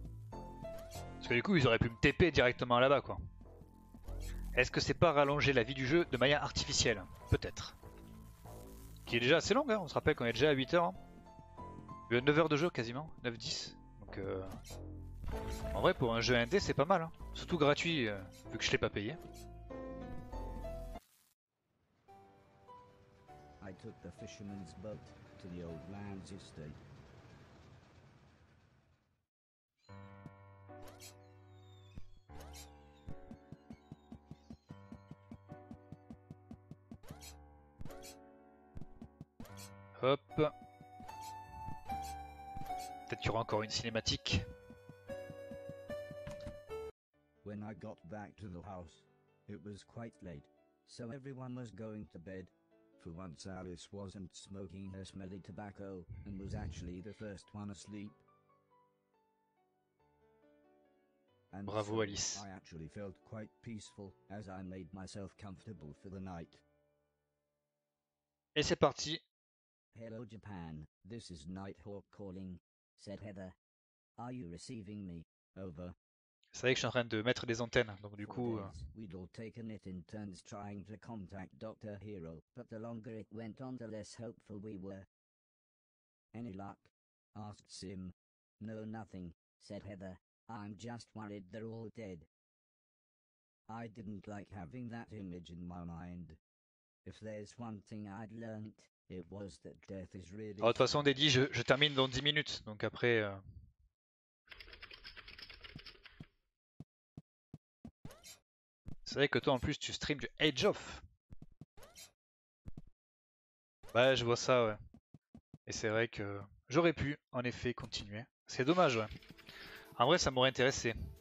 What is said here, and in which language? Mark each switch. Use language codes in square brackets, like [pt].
[fr] Parce que du coup, ils auraient pu me TP directement là-bas, quoi. Est-ce que c'est pas rallonger la vie du jeu de manière artificielle? Peut-être. Qui est déjà assez longue, hein. On se rappelle qu'on est déjà à 8h. Il y a 9h de jeu quasiment, 9-10. Donc en vrai, pour un jeu indé, c'est pas mal, hein. Surtout gratuit, vu que je l'ai pas payé. [en] I took the fisherman's boat to the old man's estate. Hop. [fr] Peut-être qu'il y aura encore une cinématique. [en] When I got back to the house, it was quite late, so everyone was going to bed. For once Alice wasn't smoking her smelly tobacco, and was actually the first one asleep. And bravo Alice. I actually felt quite peaceful as I made myself comfortable for the night. [fr] Et c'est parti. [en] Hello Japan, this is Nighthawk calling, said Heather. Are you receiving me? Over. [fr] C'est vrai que je suis en train de mettre des antennes, donc du coup... [en] We'd all taken it in turns trying to contact Dr. Hero, but the longer it went on, the less hopeful we were. Any luck? Asked Sim. No, nothing, said Heather. I'm just worried they're all dead. I didn't like having that image in my mind. If there's one thing I'd learnt, it was that death is really... [fr] Alors, de toute façon, Daddy, je termine dans 10 minutes, donc après... C'est vrai que toi en plus tu stream du Age of. Ouais, je vois ça, ouais. Et c'est vrai que j'aurais pu en effet continuer. C'est dommage, ouais. En vrai, ça m'aurait intéressé.